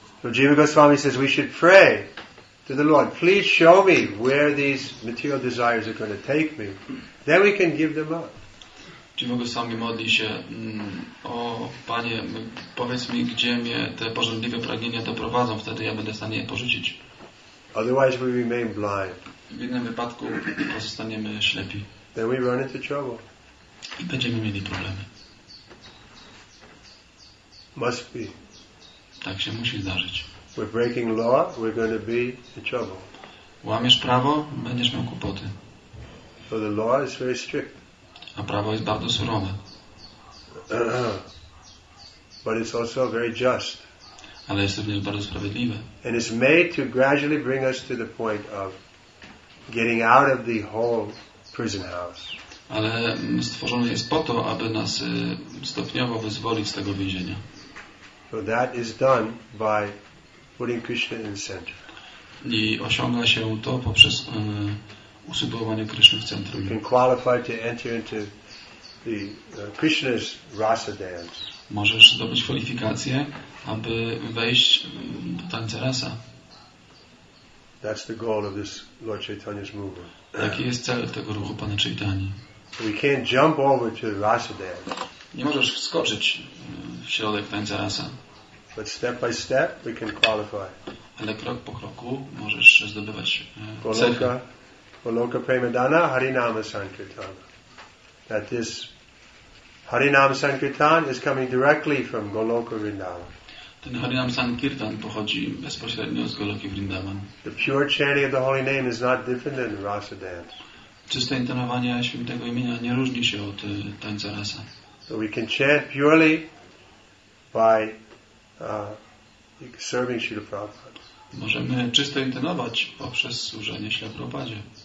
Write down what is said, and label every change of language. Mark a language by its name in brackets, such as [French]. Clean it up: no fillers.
[English] So Jiva Goswami says we should pray to the Lord, please show me where these material desires are going to take me. Then we can give them up. [Polish] Czy mogę sami modlić się, o Panie, powiedz mi, gdzie mnie te pożądliwe pragnienia doprowadzą, wtedy ja będę w stanie je porzucić. [English] Otherwise we remain blind. [Polish] W innym wypadku pozostaniemy ślepi. [English] Then we run into trouble. [Polish] I będziemy mieli problemy. [English] Must be. [Polish] Tak się musi zdarzyć. [English] We're breaking law, we're going to be in trouble. [Polish] Łamiesz prawo, będziesz miał kłopoty. [English] So the law is very strict. [Polish] A prawo jest bardzo surowe. [English] But it's also very just. [Polish] Ale jest również bardzo sprawiedliwe. [English] And it's made to gradually bring us to the point of getting out of the whole prison house. [Polish] Ale stworzone jest po to, aby nas stopniowo wyzwolić z tego więzienia. [English] So that is done by putting Krishna in the center. [Polish] I osiąga się to poprzez usytuowanie Kryszny w centrum. [English] You can qualify to enter into the Krishna's rasa dance. [Polish] Możesz zdobyć kwalifikacje, aby wejść w tańce rasa. [English] That's the goal of this Lord Chaitanya's movement. [Polish] Jaki jest cel tego ruchu Pana Chaitanyi? [English] We can't jump over to the rasa dance. [Polish] Nie możesz wskoczyć w środek tańca rasa. [English] But step by step we can qualify. [Polish] Ale krok po kroku możesz zdobywać cechy. [Sanskrit] Poloka premadana harinama sankirtana. [English] That this harinama sankirtan is coming directly from Goloka Vrindavan. [Polish] Ten harinama sankirtan pochodzi bezpośrednio z Goloki Vrindavan. [English] The pure chanting of the holy name is not different than rasa dance. [Polish] Czyste intonowanie świętego imienia nie różni się od tańca rasa. [English] So we can chant purely by serving Śrīla Prabhupāda. [Polish] Możemy czysto intonować poprzez służenie Śrīla Prabhupādzie.